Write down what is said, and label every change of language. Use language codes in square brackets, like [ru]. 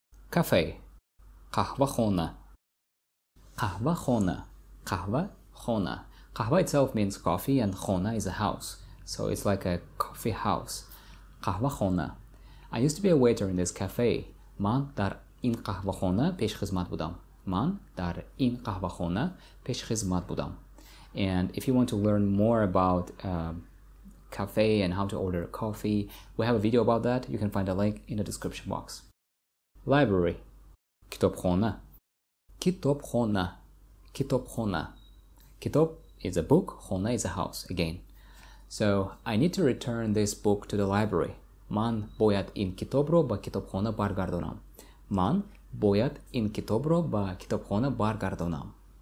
[en] cafe. [tg] Kahvakhona. Kahvakhona. Kahvakhona. [en] Kahva itself means coffee and khona is a house. So it's like a coffee house. [tg] Kahvakhona. [en] I used to be a waiter in this cafe. [tg] Man dar in kahvakhona pesh khizmat budam. [fa] من در این قهوه‌خانه پیش خدمت بودم. [en] And if you want to learn more about cafe and how to order a coffee, we have a video about that. You can find a link in the description box. Library. [fa] کتابخانه. کتابخانه. کتابخانه. [en] کتاب is a book, خانه is a house again. So, I need to return this book to the library. [fa] من باید این کتاب رو به کتابخانه برگردانم. من باید این کتاب رو به کتابخانه برگردانم.